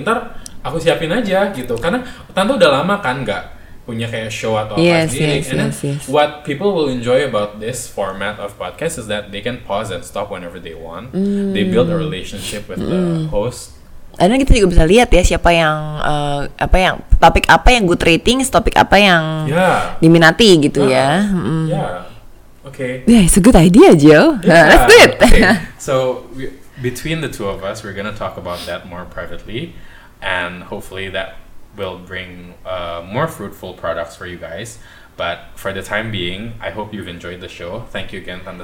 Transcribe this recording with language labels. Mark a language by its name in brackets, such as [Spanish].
[Indonesian] Ntar aku siapin aja gitu, karena tante udah lama kan nggak punya kayak show atau apa sih. [English] What people will enjoy about this format of podcast is that they can pause and stop whenever they want. They build a relationship with the host. [Indonesian] Dan kita juga bisa lihat ya siapa yang topik apa yang [English] good ratings, [Indonesian] topik apa yang diminati gitu ya. [English] Okay. Yeah, it's a good idea, Joe. That's good. Okay. So between the two of us, we're gonna talk about that more privately, and hopefully that will bring more fruitful products for you guys. But for the time being, I hope you've enjoyed the show. Thank you again, Tanda.